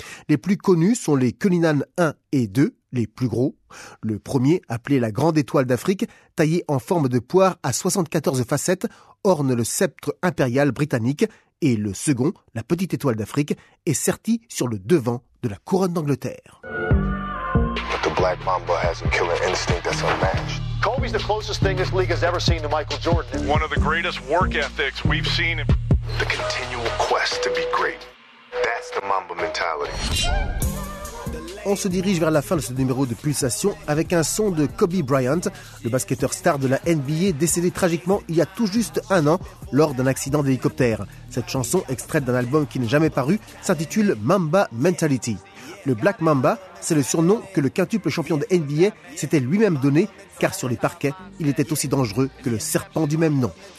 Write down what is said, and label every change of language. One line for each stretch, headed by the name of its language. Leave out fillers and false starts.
French: Les plus connus sont les Cullinan 1 et 2, les plus gros. Le premier, appelé la Grande Étoile d'Afrique, taillé en forme de poire à 74 facettes, orne le sceptre impérial britannique. Et le second, la petite étoile d'Afrique, est serti sur le devant de la couronne d'Angleterre.
English: The Black Mamba has a killer instinct that's unmatched. Kobe's the closest thing this league has ever seen to Michael Jordan. One of the greatest work ethics we've seen. The continual quest to be great. That's the Mamba mentality.
French: On se dirige vers la fin de ce numéro de Pulsation avec un son de Kobe Bryant, le basketteur star de la NBA décédé tragiquement il y a tout juste un an lors d'un accident d'hélicoptère. Cette chanson, extraite d'un album qui n'est jamais paru, s'intitule Mamba Mentality. Le Black Mamba, c'est le surnom que le quintuple champion de NBA s'était lui-même donné, car sur les parquets, il était aussi dangereux que le serpent du même nom.